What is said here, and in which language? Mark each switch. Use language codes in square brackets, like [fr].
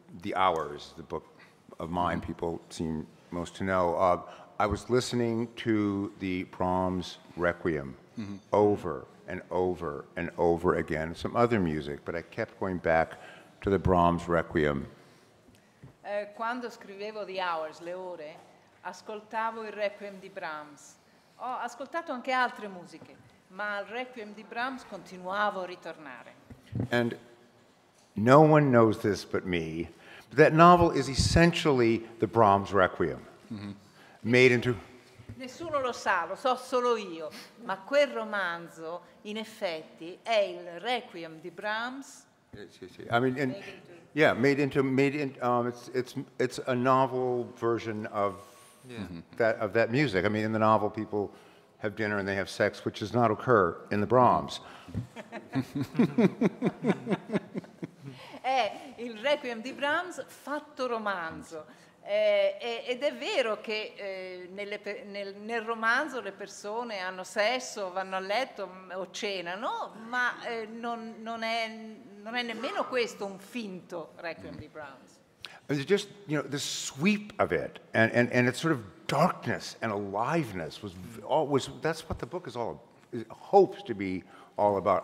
[en] The Hours, the book of mine people seem most to know. I was listening to the Brahms Requiem over and over and over again, some other music, but I kept going back to the Brahms Requiem. [it] Quando scrivevo The Hours, le ore, ascoltavo il Requiem di Brahms. Ho ascoltato anche altre musiche, ma al Requiem di Brahms continuavo a ritornare. [en] And no one knows this but me, but that novel is essentially the Brahms Requiem. Mm-hmm. Made into [it] Nessuno lo sa, lo so solo io, ma quel romanzo in effetti è il Requiem di Brahms. Sì, sì. [en] I mean, in, yeah, made into made in, it's a novel version of that of that music. I mean, in the novel people have dinner and they have sex, which does not occur in the Brahms. [it] È il Requiem di Brahms fatto romanzo. Ed è vero che nel romanzo le persone hanno sesso, vanno a letto o cenano, ma non è nemmeno questo un finto Requiem di Brahms. [en] It's just, you know, the sweep of it and its sort of darkness and aliveness was that's what the book is all it hopes to be all about.